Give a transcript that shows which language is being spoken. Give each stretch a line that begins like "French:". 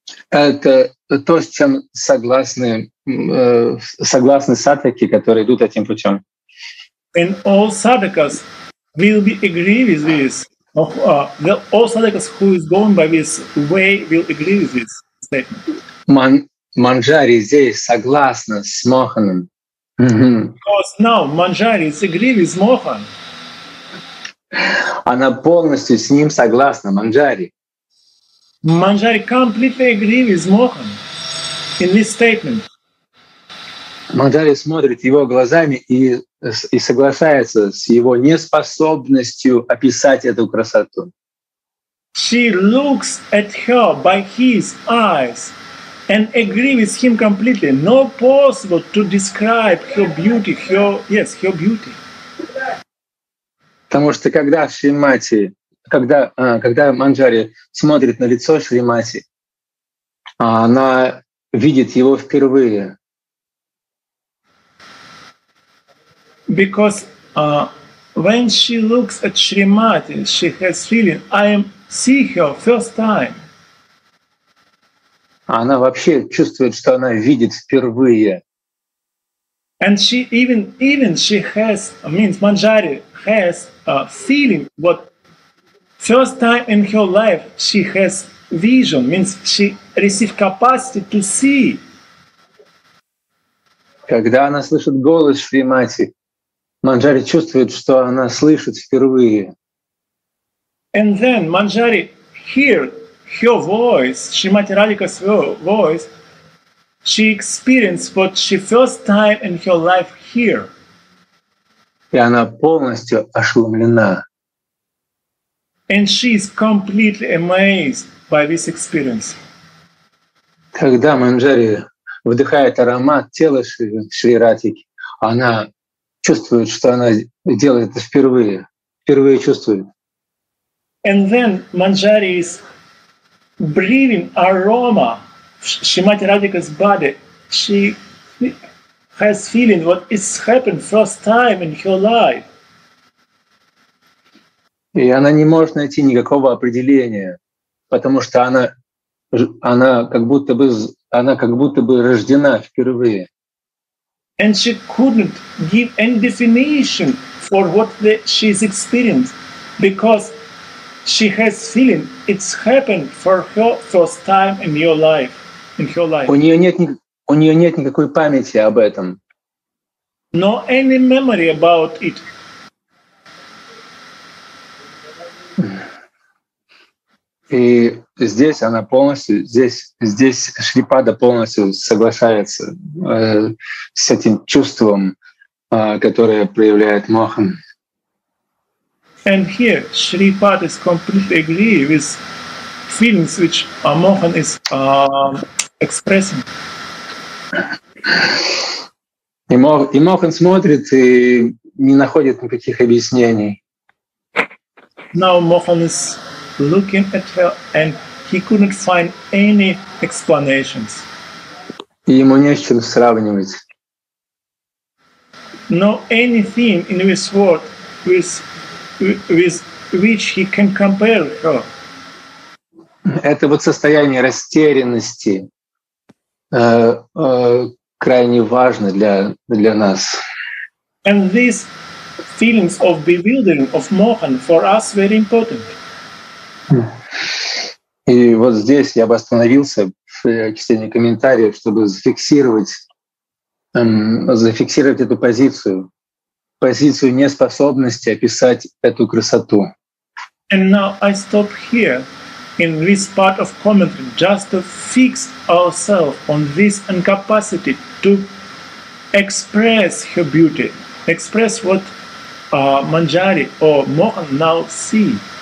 Russian: Это то, с чем согласны садхаки, которые идут этим путем.
English: And all sadhakas will be agree with this, All Sadakas who is going by this way will agree with this statement.
Russian: Manjari здесь согласна с Моханом.
English: Because now Manjari is agree with Mohan.
Russian: Она полностью с ним согласна, Манджари.
English: Манджари completely agree with Mohan in this statement.
Russian: Манджари смотрит его глазами и соглашается с его неспособностью описать эту красоту.
English: She looks at her by his eyes and agree with him completely. No possible to describe her beauty, her, yes, her beauty.
Russian: Потому что когда Шримати, когда Манджари смотрит на лицо Шримати, она видит его впервые.
English: Because when she looks at Shrimati, she has feeling I am see her first time.
Russian: Она вообще чувствует, что она видит впервые.
English: And she even she has, means Manjari has a feeling what first time in her life she has vision, means she received capacity to see.
Russian: Когда она слышит голос Шримати, Манджари чувствует, что она слышит впервые.
English: And then Manjari hears her voice, Shrimati Radhika's voice. She experienced what she first time in her life here.
Russian: И она полностью ошеломлена.
English: And she is completely amazed by this experience.
Russian: Когда Манджари вдыхает аромат тела Шри Радхики, она чувствует, что она делает это впервые. Впервые чувствует.
English: And then Manjari is breathing aroma. Shrimati Radhika's body, she has feeling what is happened first time in her life.
Russian: И она не может найти никакого определения, потому что она как будто бы рождена впервые.
English: And she couldn't give any definition for what she is experienced, because she has feeling it's happened for her first time in her life.
Russian: У нее нет никакой памяти об этом.
English: No any memory about it.
Russian: И здесь она полностью, здесь Шрипада полностью соглашается с этим чувством, которое проявляет Мохан.
English: And here Шрипада is completely agree with feelings which Mohan is expressing.
Russian: И Мохан смотрит и не находит никаких объяснений.
English: Now Mohan is looking at her and he couldn't find any explanations.
Russian: И ему не с чем сравнивать.
English: No anything in this world with which he can compare her.
Russian: Это вот состояние растерянности крайне важно для нас.
English: And these feelings of bewildering of Mohan for us very important.
Russian: И вот здесь я бы остановился в чтении комментариев, чтобы зафиксировать эту позицию неспособности описать эту красоту.
English: And now I stop here in this part of commentary, just to fix ourselves on this incapacity to express her beauty, express what Manjari or Mohan now see.